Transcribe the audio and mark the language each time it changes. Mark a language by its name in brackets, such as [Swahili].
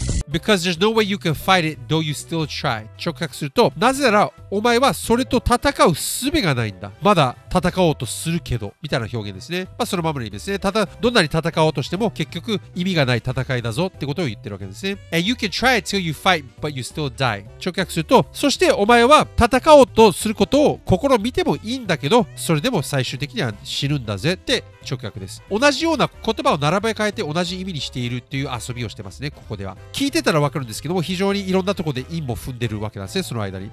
[English] Because there's no way you can fight it though you still try. [Japanese] 直訳すると、なぜならお前はそれと戦う術がないんだ。まだ戦おうとするけど、みたいな表現ですね。まあそのままの意味ですね。ただ、どんなに戦おうとしても結局意味がない戦いだぞってことを言ってるわけですね。 [English] And you can try it till you fight, but you still die. [Japanese] 直訳すると、そしてお前は戦おうとすることを試みてもいいんだけど、それでも最終的には死ぬんだぜって直訳です。同じような言葉を並べ替えて同じ意味にしているっていう遊びをしてますね、ここでは。聞いてたらわかるんですけども、非常にいろんなところで韻も踏んでるわけなんですね、その間に。